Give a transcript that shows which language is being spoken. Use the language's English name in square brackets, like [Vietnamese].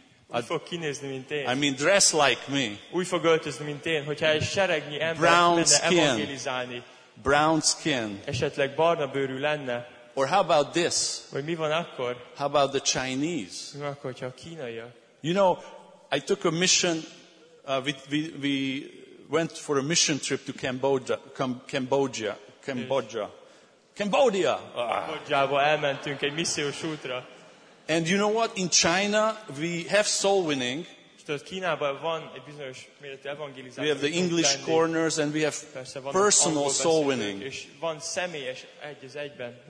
[Hungarian] Úgy fog kinézni, mint én. [English] I mean dress like me. [Hungarian] Úgy fog öltözni, mint én, hogyha egy seregnyi ember [English] brown skin. [Hungarian] Evangelizálni. [English] Brown skin. [Hungarian] Esetleg barna bőrű lenne. [English] Or how about this? [Hungarian] Vagy mi van akkor? [English] How about the Chinese? [Hungarian] Mi van akkor, hogyha a kínaiak? [English] You know, I took a mission, we went for a mission trip to Cambodia. [Hungarian] Cambodia-ba elmentünk egy missziós útra. [English] And you know what? In China, we have soul winning. [Hungarian] Kínában van egy bizonyos méretű evangelizáció. [English] We have the English corners and we have personal soul winning. [Hungarian] És van személyes egy az egyben.